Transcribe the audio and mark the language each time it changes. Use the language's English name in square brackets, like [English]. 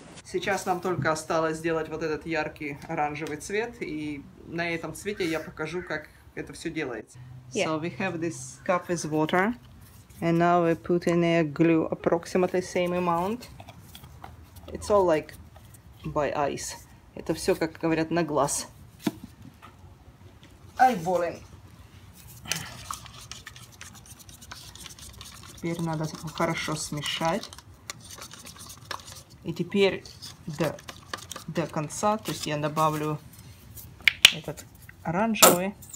[Russian] Сейчас нам только осталось сделать вот этот яркий оранжевый цвет, и на этом цвете я покажу, как это все делается. [English] Yeah. So we have this cup with water, and now we put in a glue approximately same amount. It's all like by eyes. [Russian] Это все, как говорят, на глаз. [English] Eyeballing. [Russian] Теперь надо хорошо смешать. И теперь до конца, то есть я добавлю этот оранжевый.